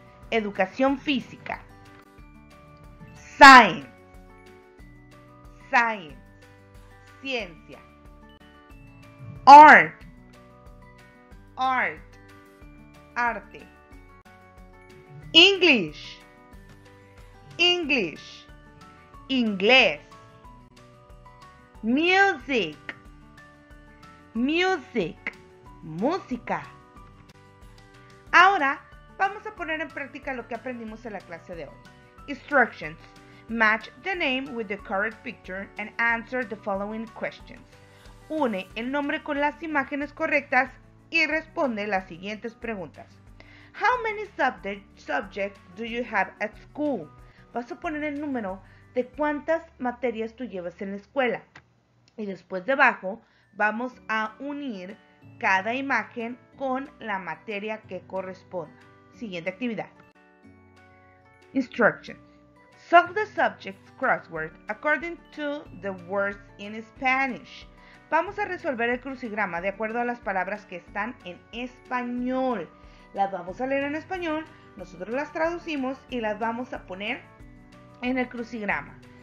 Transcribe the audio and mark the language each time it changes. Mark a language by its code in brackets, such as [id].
[en] Educación física. Science. Science. Ciencia. Art. Art. Arte. English. English. Inglés. Music. Music. Música. [es] Ahora vamos a poner en práctica lo que aprendimos en la clase de hoy. [en] Instructions. Match the name with the correct picture and answer the following questions. [es] Une el nombre con las imágenes correctas y responde las siguientes preguntas. [en] How many subjects do you have at school? [es] Vas a poner el número de cuántas materias tú llevas en la escuela. Y después debajo vamos a unir cada imagen con la materia que corresponda. Siguiente actividad. Instructions. [en] Solve the subject's crossword according to the words in Spanish. [es] Vamos a resolver el crucigrama de acuerdo a las palabras que están en español. Las vamos a leer en español, nosotros las traducimos y las vamos a poner en el crucigrama.